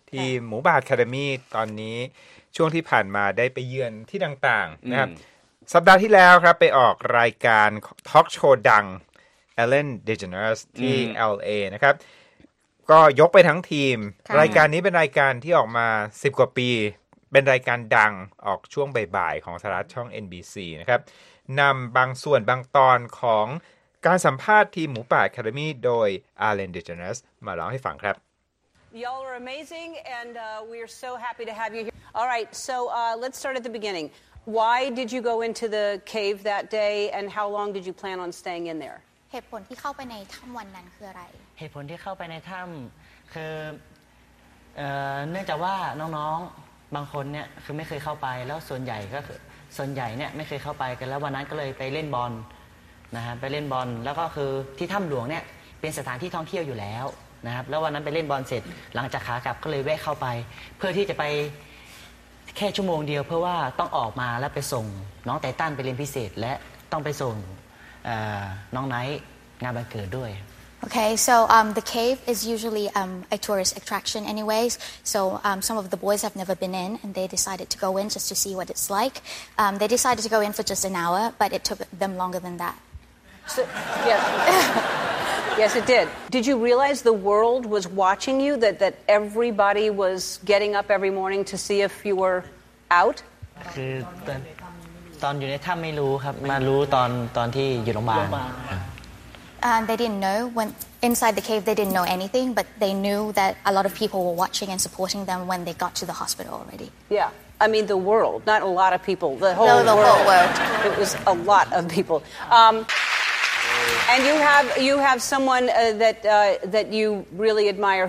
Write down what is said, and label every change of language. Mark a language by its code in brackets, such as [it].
[th] ทีมหมูป่าอะคาเดมี่ตอนนี้ช่วงที่ผ่านมาได้ไปเยือนที่ต่างๆนะครับสัปดาห์ที่แล้วครับไปออกรายการทอล์คโชว์ดัง Ellen DeGeneres ที่ LA นะครับก็ยกไปทั้งทีมรายการนี้เป็นรายการที่ออกมา10กว่าปีเป็นรายการดังออกช่วงบ่ายๆของสหรัฐช่อง NBC นะครับนำบางส่วนบางตอนของการสัมภาษณ์ทีมหมูป่าอะคาเดมี่โดย Ellen DeGeneres มาเล่าให้ฟังครับ [en] Yall are amazing, and we are so happy to have you here. All right, so let's start at the beginning. Why did you go into the cave that day, and how long did you plan on staying in there? [th] เหตุผลที่เข้าไปในถ้ำวันนั้นคืออะไร เหตุผลที่เข้าไปในถ้ำคือเนื่องจากว่าน้องๆบางคนเนี่ยคือไม่เคยเข้าไปแล้วส่วนใหญ่ก็คือส่วนใหญ่เนี่ยไม่เคยเข้าไปกันแล้ววันนั้นก็เลยไปเล่นบอลนะฮะไปเล่นบอลแล้วก็คือที่ถ้ำหลวงเนี่ยเป็นสถานที่ท่องเที่ยวอยู่แล้วนะครับแล้ววันนั้นไปเล่นบอลเสร็จหลังจากขากลับก็เลยแวะเข้าไปเพื่อที่จะไปแค่ชั่วโมงเดียวเพื่อว่าต้องออกมาแล้วไปส่งน้องไททันไปเรียนพิเศษและต้องไปส่งน้องไนท์งานบังเกิดด้วย [en] Okay so the cave is usually a tourist attraction anyways so some of the boys have never been in and they decided to go in just to see what it's like they decided to go in for just an hour but it took them longer than that so, yesYes, it did. Did you realize the world was watching you? That everybody was getting up every morning to see if you were out? [th] คือตอนอยู่ในถ้ำไม่รู้ครับมารู้ตอนที่อยู่โรงพยาบาล [en] They didn't know when inside the cave. They didn't know anything, but they knew that a lot of people were watching and supporting them when they got to the hospital already. Yeah, I mean the world, not a lot of people. The whole world. It was a lot of people. And you have someone that you really admire.